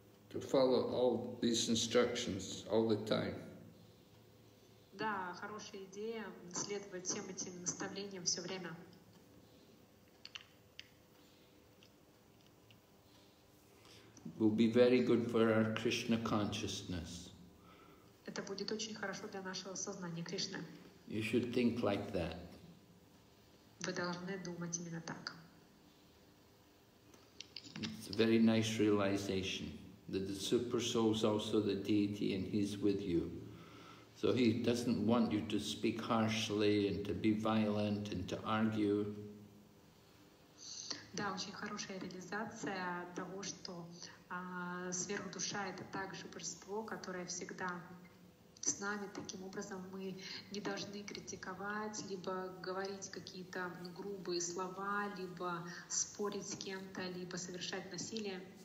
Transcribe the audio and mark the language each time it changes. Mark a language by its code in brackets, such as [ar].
[en] To follow all these instructions all the time. [ru] Да, хорошая идея следовать всем этим наставлениям все время. [en] Will be very good for our Krishna consciousness. [ru] Это будет очень хорошо для нашего сознания Кришны. [en] You should think like that. [ru] Вы должны думать именно так. [en] It's a very nice realization. That the super soul is also the deity and he's with you. So he doesn't want you to speak harshly and to be violent and to argue. [ru] Да, очень хорошая реализация того, что сверхдуша это также божество, которое всегда с нами. Таким образом, мы не должны критиковать, либо говорить какие-то грубые слова, либо спорить с кем-то, либо совершать насилие.